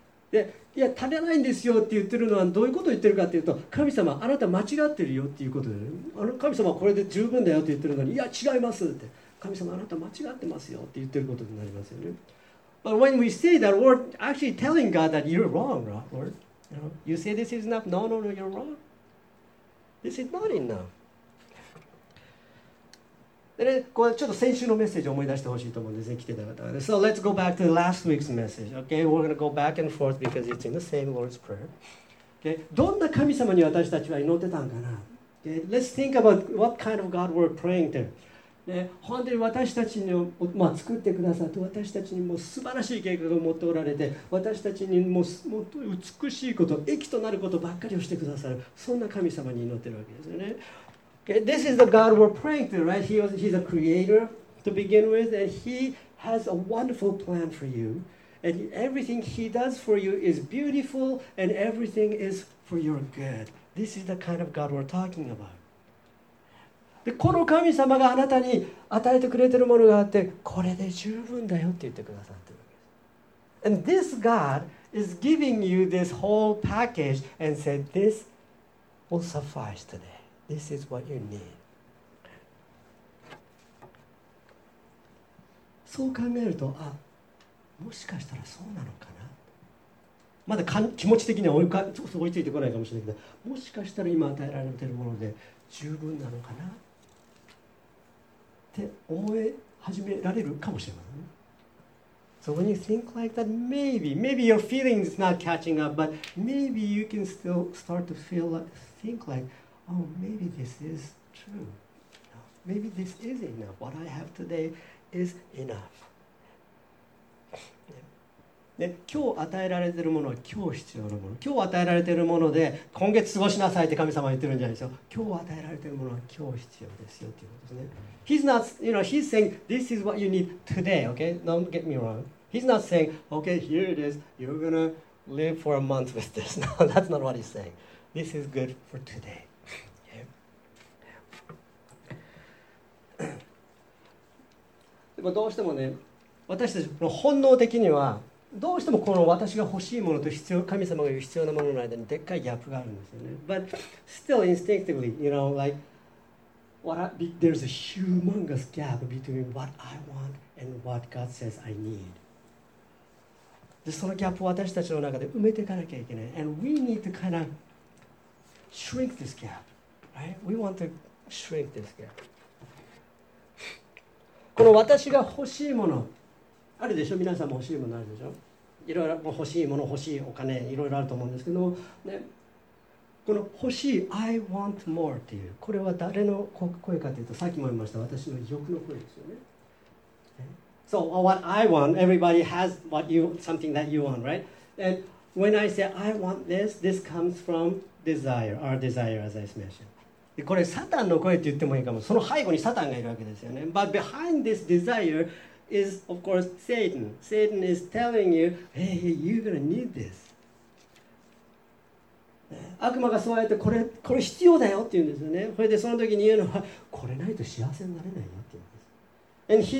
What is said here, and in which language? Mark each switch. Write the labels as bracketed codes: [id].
[ja] でいや足りないんですよって言ってるのはどういうことを言ってるかっていうと、神様あなた間違ってるよっていうことで、あの神様これで十分だよって言ってるのにいや違いますって。神様あなた間違ってますよって言ってることになりますよね。 [en] But when we say that, we're actually telling God that you're wrong, right, Lord? You say this is enough? No, no, no, you're wrong. This is not enough. [ja] でね、これちょっと先週のメッセージを思い出してほしいと思うんですね、来てた方は。 [en] So let's go back to last week's message. Okay, we're going to go back and forth because it's in the same Lord's Prayer. [ja] Okay, どんな神様に私たちは祈ってたんかな。 [en] Okay, let's think about what kind of God we're praying to. [ja] ね、本当に私たちに、まあ、作ってくださって私たちにも素晴らしい計画を持っておられて私たちにもう美しいこと益となることばっかりをしてくださるそんな神様に祈ってるわけですよね。 [en] Okay, This is the God we're praying to, right? He's a creator to begin with and he has a wonderful plan for you and everything he does for you is beautiful and everything is for your good. This is the kind of God we're talking about [ja] でこの神様があなたに与えてくれてるものがあってこれで十分だよって言ってくださってるわけです。 [en] And this God is giving you this whole package and said this will suffice today. This is what you need. [ja] そう考えるとあもしかしたらそうなのかな。まだ気持ち的には追いついてこないかもしれないけどもしかしたら今与えられてるもので十分なのかな。って思い始められるかもしれません。 [en] So when you think like that, maybe your feeling is not catching up, but maybe you can still start to feel like, think like, oh, maybe this is true. Maybe this is enough. What I have today is enough. [ja] で、今日与えられているものは今日必要なもの。今日与えられているもので、今月過ごしなさいって神様は言ってるんじゃないですよ。今日与えられているものは今日必要ですよっていうことですね。 [en] He's not, you know, he's saying, this is what you need today, okay? Don't get me wrong. He's not saying, okay, here it is, you're gonna live for a month with this. No, that's not what he's saying. This is good for today. [ja] でもどうしてもね、私たちの本能的には、どうしてもこの私が欲しいものと必要、神様が言う必要なものの間にでっかいギャップがあるんですよね。 [en] But still instinctively, you know, like, There's a humongous gap between what I want and what God says I need. [ja] で、そのギャップを私たちの中で埋めていかなきゃいけない。 [en] And we need to kind of shrink this gap, right? We want to shrink this gap. [ja] この私が欲しいもの、あるでしょ？皆さんも欲しいものあるでしょ？いろいろ欲しいもの、欲しいお金、いろいろあると思うんですけども、ね。この欲しい [en] I want more [ja] っていうこれは誰の声かというとさっきも言いました私の欲の声ですよね。 [en] So what I want, everybody has what you something that you want, right? And when I say I want this, this comes from desire, our desire, as I mentioned. [ja] これサタンの声って言ってもいいかも。その背後にサタンがいるわけですよね。 [en] But behind this desire is of course Satan. Satan is telling you, hey, you're gonna need this. [ja] 悪魔がそうやってこれ必要だよって言うんですよね。それでその時に言うのはこれないと幸せになれないよって言うんです。